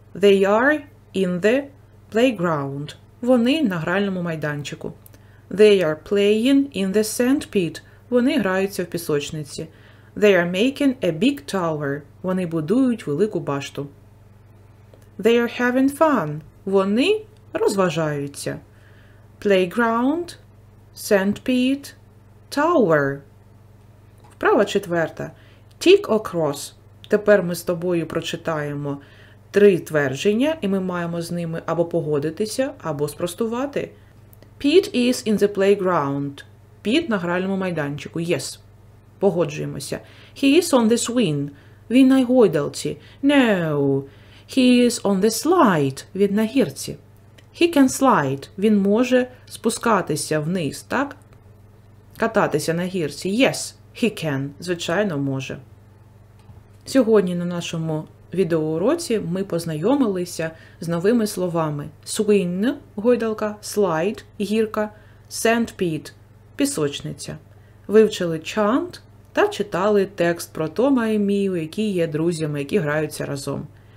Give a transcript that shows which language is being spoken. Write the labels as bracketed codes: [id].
[en] They are in the playground. [uk] Вони на гральному майданчику. [en] They are playing in the sand pit. [uk] Вони граються в пісочниці. [en] They are making a big tower. [uk] Вони будують велику башту. [en] They are having fun. [uk] Вони розважаються. [en] Playground, sand pit, tower. [uk] Вправа четверта. [en] Tick across. [uk] Тепер ми з тобою прочитаємо три твердження, і ми маємо з ними або погодитися, або спростувати. [en] Pit is in the playground. [uk] Pit на гральному майданчику. [en] Yes. [uk] Погоджуємося. [en] He is on the swing. [uk] Він на гойдалці. [en] No. He is on the slide. [uk] Він на гірці. [en] He can slide. [uk] Він може спускатися вниз, так? Кататися на гірці. [en] Yes, he can. [uk] Звичайно, може. Сьогодні на нашому відеоуроці ми познайомилися з новими словами. Swing – гойдалка, slide – гірка, sand pit – пісочниця. Вивчили чант та читали текст про Тома і Мію, які є друзями, які граються разом.